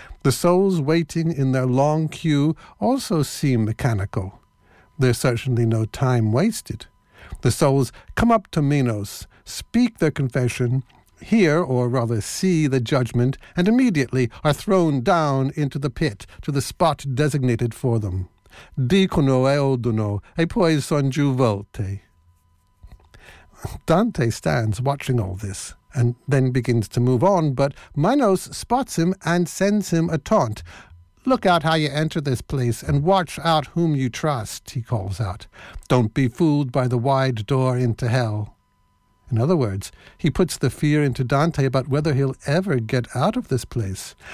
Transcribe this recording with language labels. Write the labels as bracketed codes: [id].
[en] The souls waiting in their long queue also seem mechanical. There's certainly no time wasted. The souls come up to Minos, speak their confession, hear, or rather see, the judgment, and immediately are thrown down into the pit to the spot designated for them. [it] Dicono e odono, e poi son giù volte. [en] Dante stands watching all this, and then begins to move on, but Minos spots him and sends him a taunt. Look out how you enter this place, and watch out whom you trust, he calls out. Don't be fooled by the wide door into hell. In other words, he puts the fear into Dante about whether he'll ever get out of this place.